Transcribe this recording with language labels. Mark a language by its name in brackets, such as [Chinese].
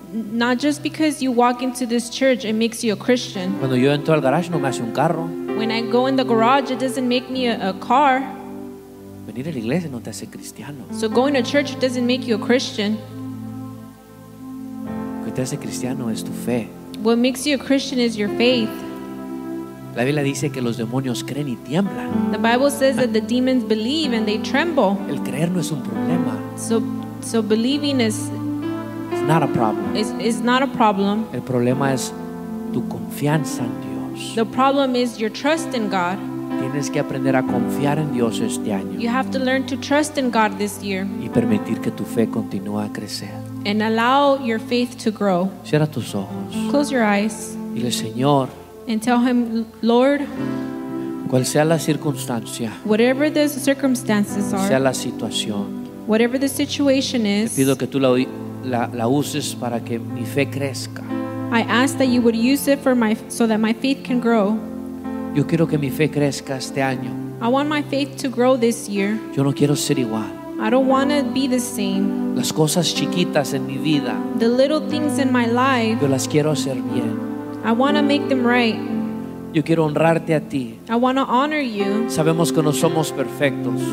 [English] Not just because you walk into this church it makes you a Christian. [Spanish] Cuando yo entro al garage no me hace un carro. [English] When I go in the garage it doesn't make me a car. [Spanish] Venir a la iglesia no te hace cristiano. [English] So going to church doesn't make you a Christian. [Spanish] Lo que te hace cristiano es tu fe. [English] What makes you a Christian is your faith. [Spanish] La Biblia dice que los demonios creen y tiemblan. [English] The Bible says that the demons believe and they tremble. [Spanish] El creer no es un problema. [English] So believing is not a problem. It's not a problem. [Spanish] El problema es tu confianza en Dios. [English] The problem is your trust in God. [Spanish] Tienes que aprender a confiar en Dios este año. [English] You have to learn to trust in God this year. [Spanish] Y permitir que tu fe continúe a crecer. [English] And allow your faith to grow. [Spanish] Cierra tus ojos. [English] Close your eyes. [Spanish] Dile, Señor. [English] And tell him, Lord. [Spanish] Cual sea la circunstancia. [English] Whatever the circumstances are. [Spanish] Sea la situación. [English] Whatever the situation is. [Spanish] Te pido que tú la uses para que mi fe crezca. [English] I ask that you would use it so that my faith can grow. [Spanish] Yo quiero que mi fe crezca este año. [English] I want my faith to grow this year. [Spanish] Yo no quiero ser igual. [English] I don't want to be the same. [Spanish] Las cosas chiquitas en mi vida. [English] The little things in my life. [Spanish] Yo las quiero hacer bien. [English] I want to make them right. [Spanish] Yo quiero honrarte a ti. [English] I want to honor you. [Spanish] Sabemos que no somos perfectos.